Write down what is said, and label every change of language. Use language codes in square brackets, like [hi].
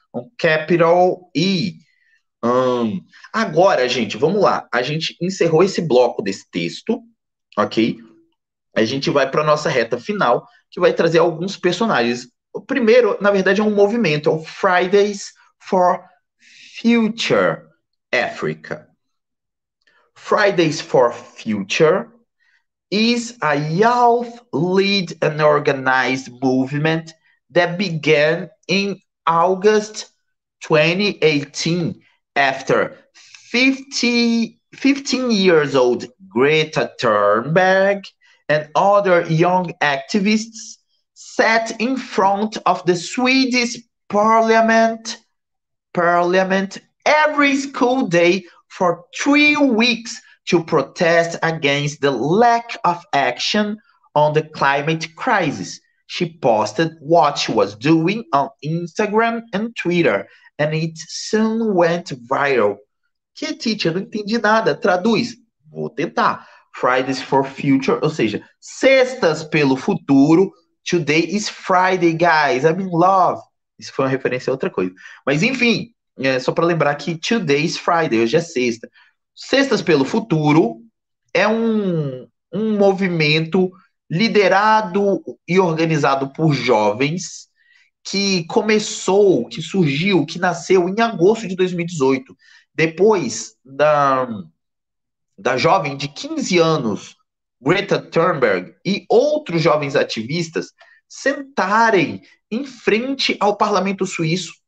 [pt] Um capital I. Agora, gente, vamos lá. A gente encerrou esse bloco desse texto, ok? A gente vai para a nossa reta final, que vai trazer alguns personagens. O primeiro, na verdade, é um movimento, é o Fridays for Future Africa. [en] Fridays for Future is a youth-led and organized movement that began in August 2018 after 15-year-old Greta Thunberg and other young activists sat in front of the Swedish parliament every school day for 3 weeks to protest against the lack of action on the climate crisis. She posted what she was doing on Instagram and Twitter, and it soon went viral. [pt] Que, teacher, eu não entendi nada. Traduz. Vou tentar. Fridays for Future, ou seja, sextas pelo futuro. [en] Today is Friday, guys. I'm in love. [pt] Isso foi uma referência a outra coisa. Mas, enfim. É, só para lembrar que [en] today is Friday, [pt] hoje é sexta. Sextas pelo Futuro é um movimento liderado e organizado por jovens que surgiu, que nasceu em agosto de 2018, depois da jovem de 15 anos, Greta Thunberg, e outros jovens ativistas sentarem em frente ao parlamento suíço.